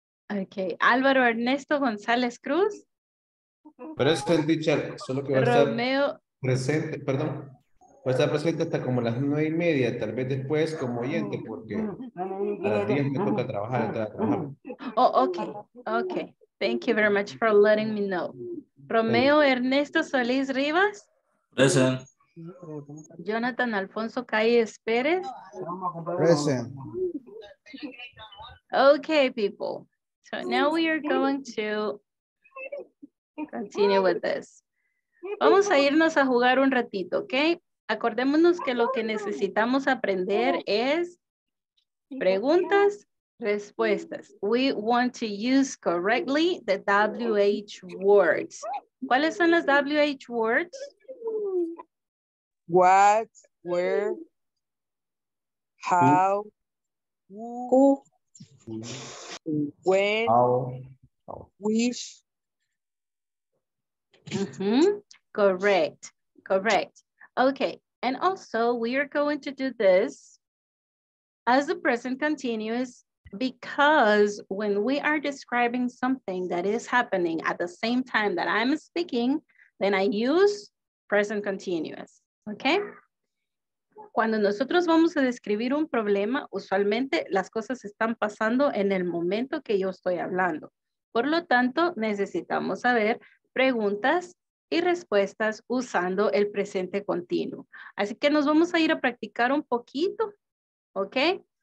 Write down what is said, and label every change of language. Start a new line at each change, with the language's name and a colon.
English: Ok. Álvaro Ernesto González Cruz. Present, teacher.
Spanish: Solo que va a Romeo. Presente, perdón. Va a estar presente hasta como las 9:30, tal vez después como oyente, porque a las 10 me toca trabajar.
English: Oh, ok. Ok. Thank you very much for letting me know. Romeo Ernesto Solís Rivas. Present. Jonathan Alfonso Calles Pérez. Present. Okay, people. So now we are going to continue with this.
Spanish: Vamos a irnos a jugar un ratito, okay? Acordémonos que lo que necesitamos aprender es preguntas. Respuestas.
English: We want to use correctly the WH words.
Spanish: ¿Cuáles son las WH words?
English: What, where, how, who, when, how, which. Mm-hmm. Correct. Correct. Okay. And also, we are going to do this as the present continuous. Because when we are describing something that is happening at the same time that I'm speaking, then I use present continuous, okay?
Spanish: Cuando nosotros vamos a describir un problema, usualmente las cosas están pasando en el momento que yo estoy hablando. Por lo tanto, necesitamos saber preguntas y respuestas usando el presente continuo. Así que nos vamos a ir a practicar un poquito, okay?